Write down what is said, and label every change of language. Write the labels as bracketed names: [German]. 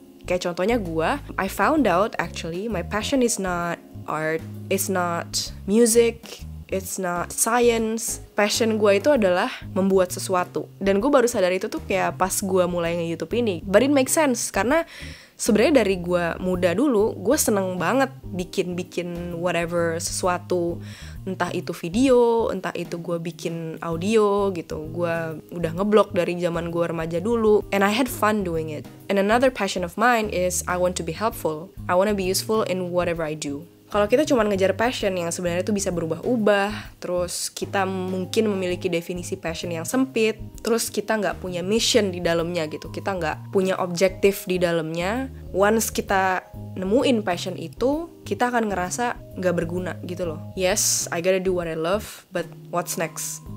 [Indonesian] Kayak contohnya gue, [English] I found out actually my passion is not art, it's not music, it's not science. [Indonesian] Passion gue itu adalah membuat sesuatu. Dan gue baru sadar itu tuh kayak pas gue mulai nge-YouTube ini. [English] But it makes sense, [Indonesian] karena sebenarnya dari gue muda dulu, gue seneng banget bikin-bikin whatever sesuatu. Entah itu video, entah itu gue bikin audio gitu. Gue udah ngeblog dari zaman gue remaja dulu. [English] And I had fun doing it. And another passion of mine is I want to be helpful. I want to be useful in whatever I do. [Indonesian] Kalau kita cuma ngejar passion yang sebenarnya itu bisa berubah-ubah, terus kita mungkin memiliki definisi passion yang sempit, terus kita nggak punya mission di dalamnya gitu, kita nggak punya objektif di dalamnya, once kita nemuin passion itu, kita akan ngerasa nggak berguna gitu loh. [English] Yes, I gotta do what I love, but what's next?